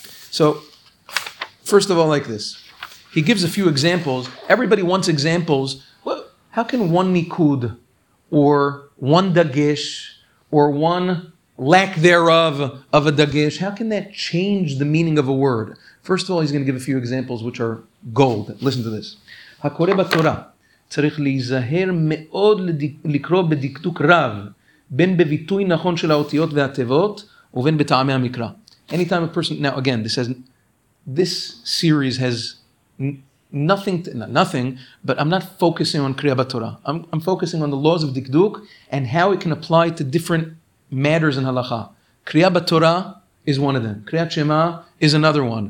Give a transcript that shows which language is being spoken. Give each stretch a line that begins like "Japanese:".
English: So, first of all, like this. He gives a few examples. Everybody wants examples. Well, how can one nikud, or one dagesh, or one lack thereof of a dagesh, how can that change the meaning of a word? First of all, he's going to give a few examples which are gold. Listen to this.
Hebrew: Hakore b'Torah צריך להיזהר מאוד לקרוא בדקדוק רב בין בביטוי נכון של האותיות והתיבות ובין בטעמי המקרא.
English: Anytime a person, now again, this says, this series has nothing, but I'm not focusing on Kriya Batorah. I'm focusing on the laws of Dikduk and how it can apply to different matters in Halakha. Kriya Batorah is one of them. Kriya Shema is another one.